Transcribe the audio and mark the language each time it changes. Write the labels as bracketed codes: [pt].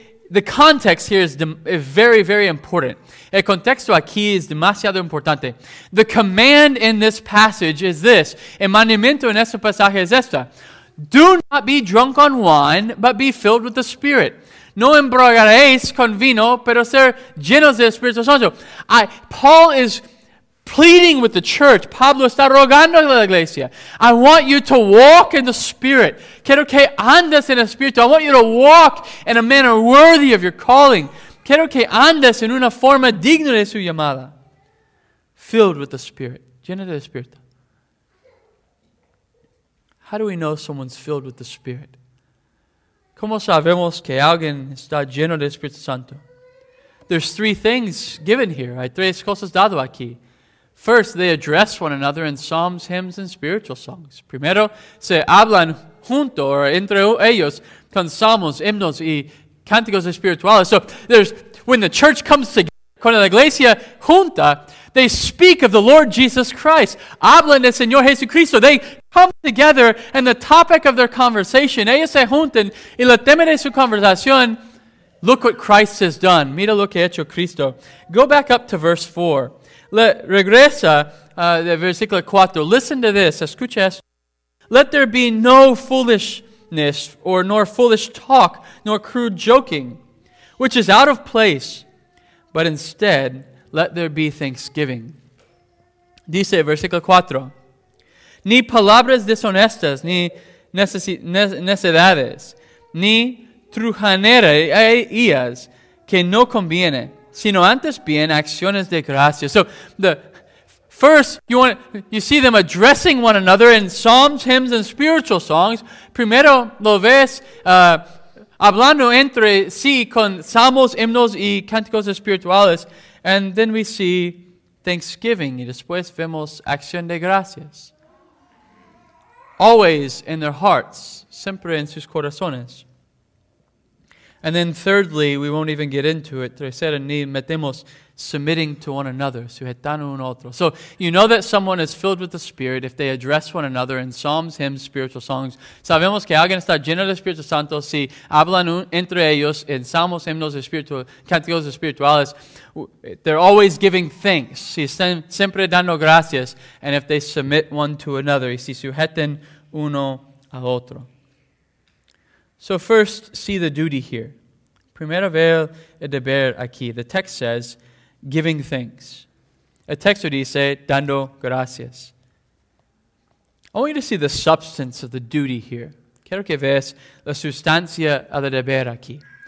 [en] The context here is very, very important. [es] El contexto aquí es demasiado importante. [en] The command in this passage is this. [es] El mandamiento en este pasaje es esta. [en] Do not be drunk on wine, but be filled with the Spirit. [es] No embriagaréis con vino, pero ser llenos del Espíritu Santo. [en] Paul is pleading with the church. [es] Pablo está rogando a la iglesia. [en] I want you to walk in the Spirit. [es] Quiero que andes en el Espíritu. [en] I want you to walk in a manner worthy of your calling. [es] Quiero que andes en una forma digna de su llamada. [en] Filled with the Spirit. [es] Lleno del Espíritu. [en] How do we know someone's filled with the Spirit? [es] ¿Cómo sabemos que alguien está lleno del Espíritu Santo? [en] There's three things given here. [es] Hay tres cosas dado aquí. [en] First, they address one another in psalms, hymns, and spiritual songs. [es] Primero, se hablan junto o entre ellos con salmos, himnos y cánticos espirituales. [en] So, when the church comes together, [es] cuando la iglesia junta, [en] they speak of the Lord Jesus Christ. [es] Hablan del Señor Jesucristo. [en] They come together and the topic of their conversation, [es] ellos se juntan y el tema de su conversación, [en] look what Christ has done. [es] Mira lo que ha hecho Cristo. [en] Go back up to verse 4. [es] Regresa de versículo 4. [en] Listen to this. [es] Escucha esto. [en] Let there be no foolishness or nor foolish talk nor crude joking, which is out of place, but instead let there be thanksgiving. [es] Dice versículo 4. Ni palabras deshonestas, ni necedades, ni trujanerías que no conviene, sino antes bien acciones de gracias. [en] So the first you see them addressing one another in psalms, hymns, and spiritual songs. [es] Primero lo ves hablando entre sí con salmos, himnos y cánticos espirituales. [en] And then we see thanksgiving [es] y después vemos acción de gracias. [en] Always in their hearts, [es] siempre en sus corazones. [en] And then thirdly, we won't even get into it, [es] tercero ni metemos, [en] submitting to one another, [es] sujetando un otro. [en] So you know that someone is filled with the Spirit if they address one another in psalms, hymns, spiritual songs. [es] Sabemos que alguien está lleno del Espíritu Santo si hablan entre ellos en salmos, himnos, cánticos espirituales. [en] They're always giving thanks. [es] Si están siempre dando gracias. [en] And if they submit one to another, [es] y si sujeten uno al otro. [en] So first, see the duty here. [es] Primero ver el deber aquí. [en] The text says, giving thanks. [es] El texto dice, dando gracias. [en] I want you to see the substance of the duty here. [es] Quiero que veas la sustancia del deber aquí.